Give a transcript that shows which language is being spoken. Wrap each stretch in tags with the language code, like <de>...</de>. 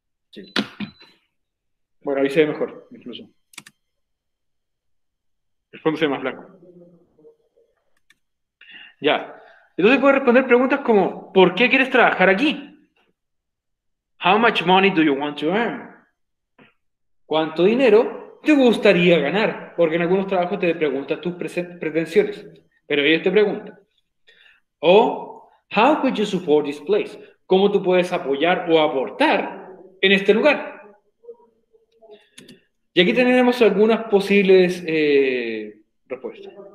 <es>Sí. Bueno, ahí se ve mejor, incluso. El fondo se ve más blanco. Ya. Entonces puedes responder preguntas como ¿por qué quieres trabajar aquí?</es> <en>How much money do you want to earn?</en> <es>¿Cuánto dinero te gustaría ganar? Porque en algunos trabajos te preguntan tus pretensiones, pero ellos te preguntan. O</es> <en>how could you support this place?</en> <es>¿Cómo tú puedes apoyar o aportar en este lugar? Y aquí tenemos algunas posibles respuestas.</es>